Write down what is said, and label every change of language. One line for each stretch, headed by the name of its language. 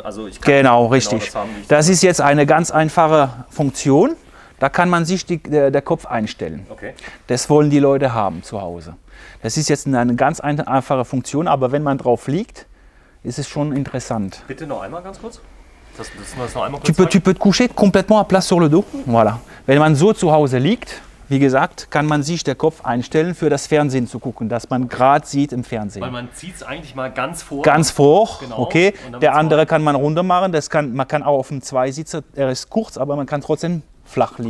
German: Also ich kann genau, richtig. Genau das ist jetzt eine ganz einfache Funktion. Da kann man sich der Kopf einstellen. Okay. Das wollen die Leute haben zu Hause. Das ist jetzt eine ganz einfache Funktion, aber wenn man drauf liegt, ist es schon interessant. Bitte noch einmal ganz kurz. Das noch einmal kurz.
French: Tu peux te coucher complètement à plat sur le dos. Voilà.
German: Wenn man so zu Hause liegt, wie gesagt, kann man sich der Kopf einstellen, für das Fernsehen zu gucken, dass man gerade sieht im Fernsehen. Weil man zieht es eigentlich mal ganz vor. Ganz vor, genau. Okay. Der andere kann man runter machen. Man kann auch auf dem Zweisitzer, er ist kurz, aber man kann trotzdem flach liegen.